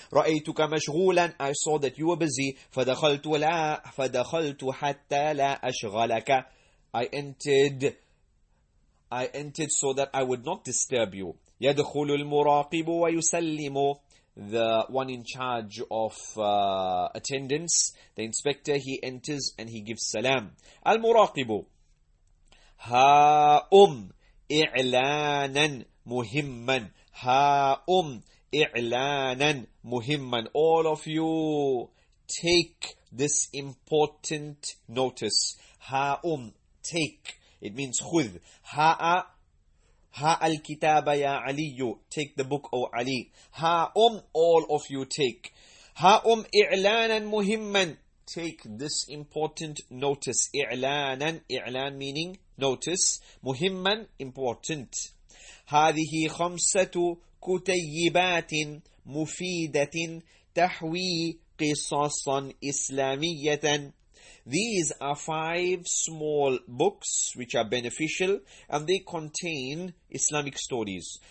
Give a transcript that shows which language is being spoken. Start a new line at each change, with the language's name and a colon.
Arabic: Ra'aytuka mashghulan,
English: I saw that you were busy.
Arabic: Fadakhaltu hatta la ashghalaka,
English: I entered so that I would not disturb you.
Arabic: Yadkhulu al-muraqibu wa yusallimu,
English: the one in charge of attendance, the inspector, he enters and he gives salam.
Arabic: Al-muraqibu ha'um إعلاناً مهماً, هاؤم إعلاناً مهماً.
English: All of you, take this important notice. هاؤم, take. It means خذ.
Arabic: هاء الكتاب يا علي,
English: take the book, O Ali. هاؤم, all of you take.
Arabic: هاؤم إعلاناً مهماً,
English: take this important notice.
Arabic: إعلاناً, إعلان
English: meaning notice.
Arabic: مهماً, important. هذه خمسة كتيبات مفيدة تحوي قصصا إسلامية.
English: These are five small books which are beneficial and they contain Islamic stories.